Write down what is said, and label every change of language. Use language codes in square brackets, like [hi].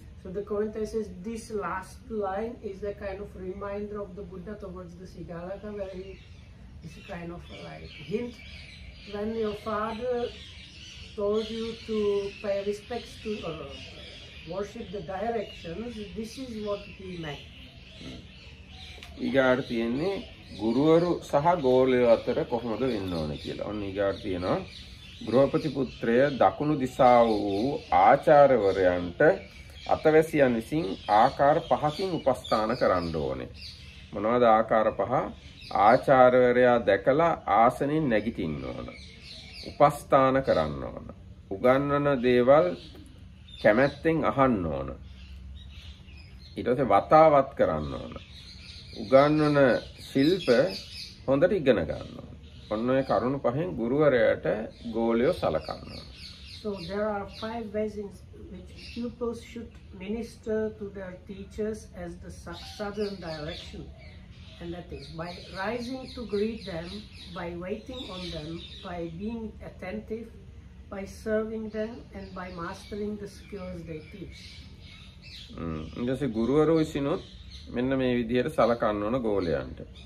[en] So the commentary says this last line is a kind of reminder of the Buddha towards the Sigalaka where he is a kind of like hint. When your father told you to pay respects to or worship the directions, this is what he meant. [si] ඊගාට තියෙන්නේ ගුරුවරු සහ ගෝලයෝ අතර කොහොමද වෙන්න ඕන කියලා. ඔන්න ඊගාට තියෙනවා ගෘහපති පුත්‍රය දකුණු දිසාව වූ ආචාර්යවරයන්ට අතවැසියන් විසින් ආකාර පහකින් උපස්ථාන කරන්න ඕනේ. මොනවද ආකාර පහ? ආචාර්යවරයා දැකලා ආසනින් නැගිටින්න ඕන. උපස්ථාන කරන්න ඕන. උගන්වන දේවල් කැමැත්තෙන් අහන්න ඕන. ඊට පස්සේ වතාවත් කරන්න ඕන. උගන්වන ශිල්ප හොඳට ඉගෙන ගන්න ඕන. ඔන්න ඔය කරුණු පහෙන් ගුරුවරයාට ගෝලියෝ සලකන්න ඕන. [en] So there are five ways in which pupils should minister to their teachers as the southern direction. And that is by rising to greet them, by waiting on them, by being attentive, by serving them, and by mastering the skills they teach. [si] ඉතින් ගුරුවරු විසිනුත් මෙන්න මේ විදිහට සලකන්න ඕන ගෝලයන්ට.